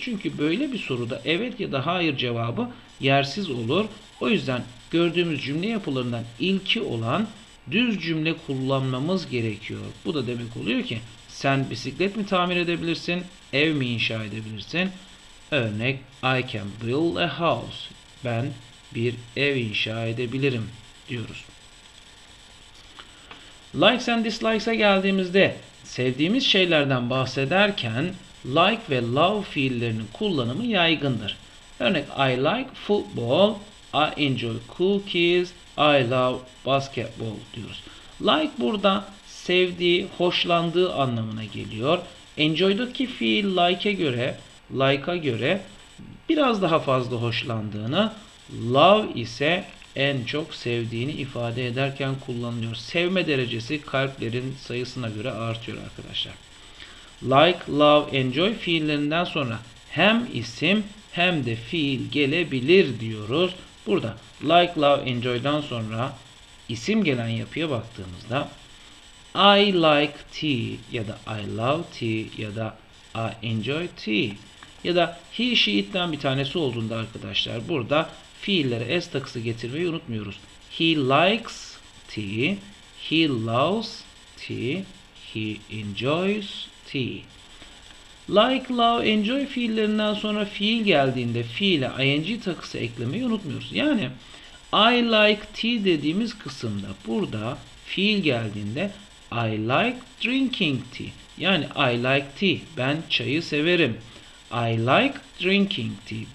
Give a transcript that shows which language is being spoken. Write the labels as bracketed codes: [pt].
[tr] Çünkü böyle bir soruda evet ya da hayır cevabı yersiz olur. O yüzden gördüğümüz cümle yapılarından ilki olan düz cümle kullanmamız gerekiyor. Bu da demek oluyor ki sen bisiklet mi tamir edebilirsin, ev mi inşa edebilirsin? [en] Örnek: I can build a house. [tr] Ben bir ev inşa edebilirim diyoruz. Likes and dislikes'a geldiğimizde sevdiğimiz şeylerden bahsederken like ve love fiillerinin kullanımı yaygındır. [en] Örnek: I like football, I enjoy cookies, I love basketball diyoruz. [tr] Like burada sevdiği, hoşlandığı anlamına geliyor. Enjoy'daki fiil like'a göre biraz daha fazla hoşlandığını, love ise en çok sevdiğini ifade ederken kullanılıyor. Sevme derecesi kalplerin sayısına göre artıyor arkadaşlar. Like, love, enjoy fiillerinden sonra hem isim hem de fiil gelebilir diyoruz. Burada like, love, enjoy'dan sonra isim gelen yapıya baktığımızda [en] I like tea [tr] ya da [en] I love tea [tr] ya da [en] I enjoy tea [tr] ya da he she it'ten bir tanesi olduğunda arkadaşlar burada fiillere s takısı getirmeyi unutmuyoruz. [en] He likes tea, he loves tea, he enjoys tea. [tr] Like, love, enjoy fiillerinden sonra fiil geldiğinde fiile ing takısı eklemeyi unutmuyoruz. Yani [en] I like tea [tr] dediğimiz kısımda burada fiil geldiğinde [en] I like drinking tea. [tr] Yani [en] I like tea. [tr] Ben çayı severim. [en] I like drinking tea.